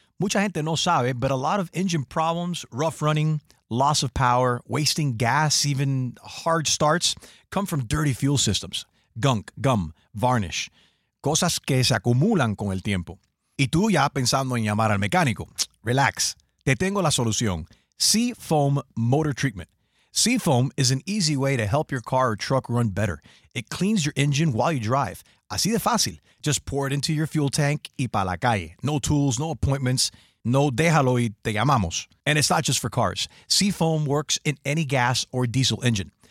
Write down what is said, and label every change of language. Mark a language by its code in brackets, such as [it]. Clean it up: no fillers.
[es] Mucha gente no sabe, [en] but a lot of engine problems, rough running, loss of power, wasting gas, even hard starts, come from dirty fuel systems. Gunk, gum, varnish. [es] Cosas que se acumulan con el tiempo. Y tú ya pensando en llamar al mecánico. Relax, te tengo la solución. [en] Seafoam Motor Treatment. Seafoam is an easy way to help your car or truck run better. It cleans your engine while you drive. [es] Así de fácil. [en] Just pour it into your fuel tank [es] y pa' la calle. [en] No tools, no appointments. [es] No déjalo y te llamamos. [en] And it's not just for cars. Seafoam works in any gas or diesel engine.